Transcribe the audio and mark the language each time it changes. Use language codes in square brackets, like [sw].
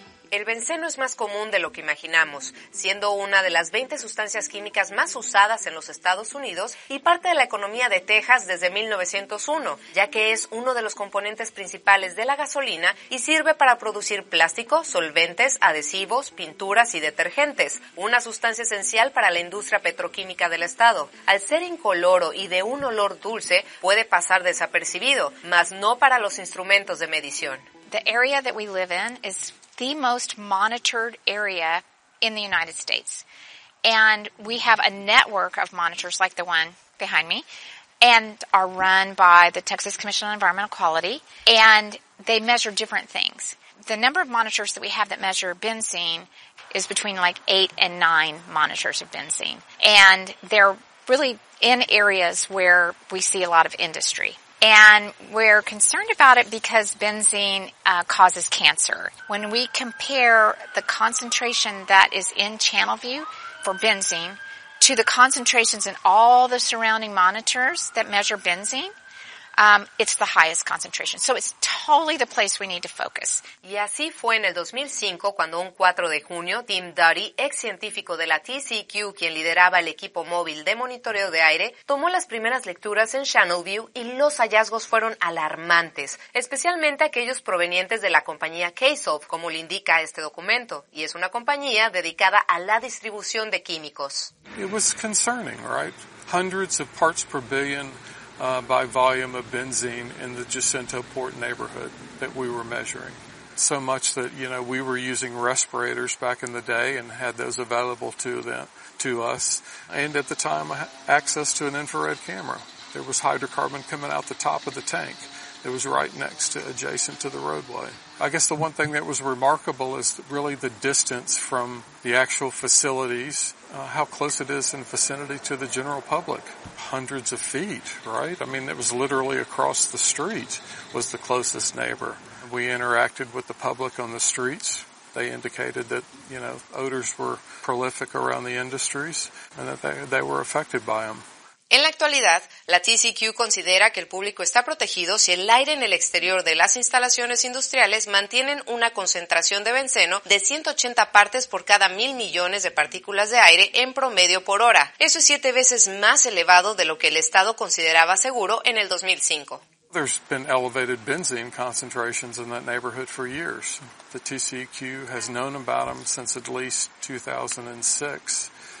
[es] El benceno es más común de lo que imaginamos, siendo una de las 20 sustancias químicas más usadas en los Estados Unidos y parte de la economía de Texas desde 1901, ya que es uno de los componentes principales de la gasolina y sirve para producir plástico, solventes, adhesivos, pinturas y detergentes, una sustancia esencial para la industria petroquímica del estado. Al ser incoloro y de un olor dulce, puede pasar desapercibido, mas no para los instrumentos de medición. [en] The area that we live in is the most monitored area in the United States. And we have a network of monitors like the one behind me and are run by the Texas Commission on Environmental Quality, and they measure different things. The number of monitors that we have that measure benzene is between like 8 and 9 monitors of benzene. And they're really in areas where we see a lot of industry. And we're concerned about it because benzene causes cancer. When we compare the concentration that is in Channelview for benzene to the concentrations in all the surrounding monitors that measure benzene, it's the highest concentration. So it's totally the place we need to focus. [es] Y así fue en el 2005 cuando un 4 de junio, Tim Duddy, ex científico de la TCEQ, quien lideraba el equipo móvil de monitoreo de aire, tomó las primeras lecturas en Channelview y los hallazgos fueron alarmantes, especialmente aquellos provenientes de la compañía Kaysoft, como le indica este documento, y es una compañía dedicada a la distribución de químicos. [en] It was concerning, right? Hundreds of parts per billion by volume of benzene in the Jacinto Port neighborhood that we were measuring. So much that, you know, we were using respirators back in the day and had those available to us. And at the time, access to an infrared camera. There was hydrocarbon coming out the top of the tank. It was right next to, adjacent to the roadway. I guess the one thing that was remarkable is really the distance from the actual facilities, how close it is in vicinity to the general public. Hundreds of feet, right? I mean, it was literally across the street was the closest neighbor. We interacted with the public on the streets. They indicated that, you know, odors were prolific around the industries and that they were affected by them. [es] En la actualidad, la TCEQ considera que el público está protegido si el aire en el exterior de las instalaciones industriales mantienen una concentración de benceno de 180 partes por cada 1,000 millones de partículas de aire en promedio por hora. Eso es 7 veces más elevado de lo que el Estado consideraba seguro en el 2005. [en] There's been elevated benzene concentrations in that neighborhood for years. The TCEQ has known about them since at least 2006.